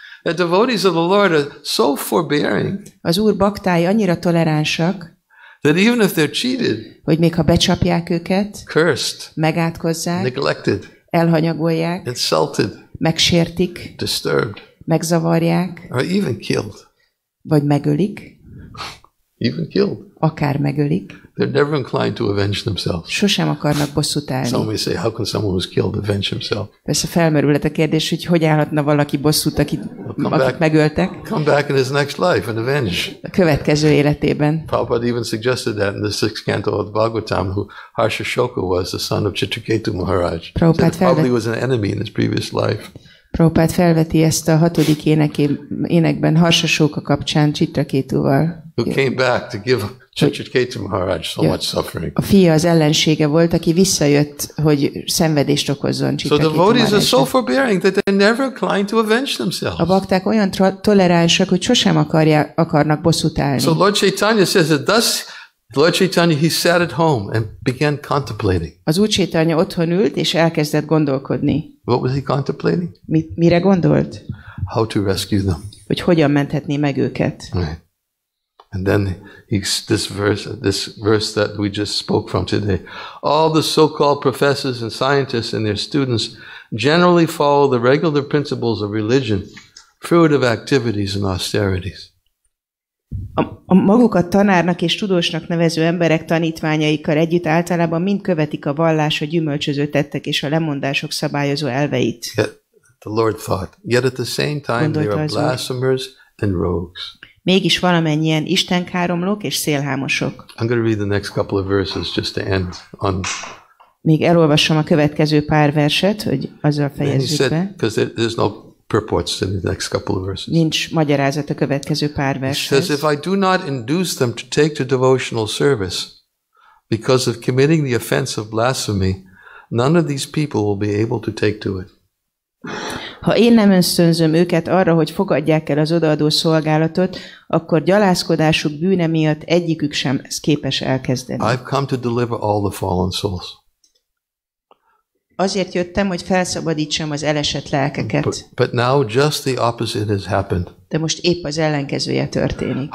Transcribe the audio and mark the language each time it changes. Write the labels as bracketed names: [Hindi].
[English] The devotees of the Lord are so forbearing. [Hungarian] Az Úr baktái annyira toleránsak. [English] That even if they're cheated. [Hungarian] Hogy még ha becsapják őket. [English] Cursed. [Hungarian] Megátkozzák. [English] Neglected. [Hungarian] Elhanyagolják. [English] Insulted. [Hungarian] Megsértik. [English] Disturbed. [Hungarian] Megzavarják. [English] Or even killed. [Hungarian] Vagy megölik. [English] Even killed. [Hungarian] Akár megölik. [English] They're never inclined to avenge themselves. [Hungarian] Sosem akarnak bosszút állni. [English] Some may say, how can someone who's killed avenge himself? [Hungarian] Persze felmerülhet a kérdés, hogy hogyan állhatna valaki bosszút, akit megöltek. [English] Come back in his next life and avenge. [Hungarian] A következő életében. [English] Prabhupada even suggested that in the sixth canto of the Bhagavatam, who Harsha Shoka was, the son of Chitraketu Maharaj. Probably was an enemy in his previous life. [Hungarian] Prabhupád felveti ezt a hatodik énekben Harsha Shoka kapcsán Chitraketuval. [English] Who came back to give Chitraketu Maharaj so much suffering. [Hungarian] A fia az ellensége volt, aki visszajött, hogy szenvedést okozzon Chitraketu [English] So the devotees are so forbearing that they're never inclined to avenge themselves. [Hungarian] A bakták olyan toleránsak, hogy sosem akarnak bosszút állni. [English] So Lord Caitanya says that thus Lord Caitanya, he sat at home and began contemplating. [Hungarian] Az Úr Caitanya otthon ült és elkezdett gondolkodni. [English] What was he contemplating? [Hungarian] Mire gondolt? [English] How to rescue them. [Hungarian] Hogy hogyan menthetni meg őket. [English] Right. And then this verse that we just spoke from today. All the so-called professors and scientists and their students generally follow the regular principles of religion, fruit of activities and austerities. [Hungarian] A magukat tanárnak és tudósnak nevező emberek tanítványaikkal együtt általában mind követik a vallás, a gyümölcsöző tettek és a lemondások szabályozó elveit. [English] The Lord thought, yet at the same time they are blasphemers and rogues. [Hungarian] Mégis valamennyien istenkáromlók és szélhámosok. [English] I'm going to read the next couple of verses just to end on. [Hungarian] Még elolvassam a következő pár verset, hogy azzal fejezzük be. [English] Because there's no purports in the next couple of verses. [Hungarian] Nincs magyarázat a következő pár verset. [English] He says, if I do not induce them to take to devotional service because of committing the offense of blasphemy, none of these people will be able to take to it. [Hungarian] Ha én nem ösztönzöm őket arra, hogy fogadják el az odaadó szolgálatot, akkor gyalázkodásuk bűne miatt egyikük sem képes elkezdeni. [English] I've come to deliver all the fallen souls. [Hungarian] Azért jöttem, hogy felszabadítsam az elesett lelkeket. [English] But now just the opposite has happened. [Hungarian] De most épp az ellenkezője történik.